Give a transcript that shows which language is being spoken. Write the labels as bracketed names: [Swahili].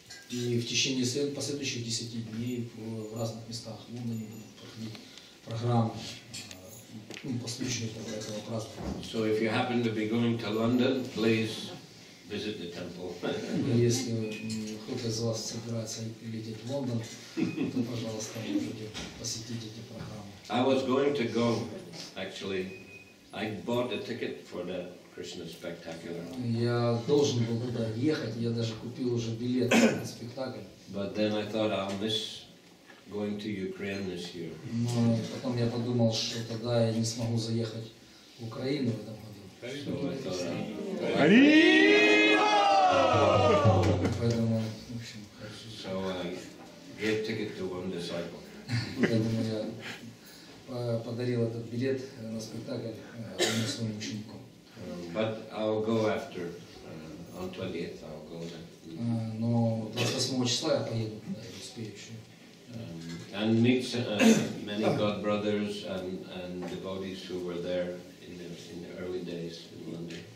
[Russian] И в течение последующих 10 дней в разных местах Лондона будут проходить программы по случаю этого праздника. [English] So if you happen to be going to London, please visit the temple. [Russian] Если кто-то из вас собирается лететь в Лондон, то, пожалуйста, можете посетить эти программы. [English] I was going to go, actually. I bought a ticket for the Krishna Spectacular. [Russian] Я должен был туда ехать, я даже купил уже билет на спектакль. [English] But then I thought I'll miss going to Ukraine this year. [Russian] Но потом я подумал, что тогда я не смогу заехать в Украину в этом году. Поэтому, в общем, хорошо. [English] So I gave ticket to one disciple. [Russian] Поэтому я подарил этот билет на спектакль одному своему ученику. [English] But I'll go after on 20th. I'll go then. [Russian] Но 28 числа я поеду, успею еще. [English] And meet many God brothers and devotees who were there in the early days in London.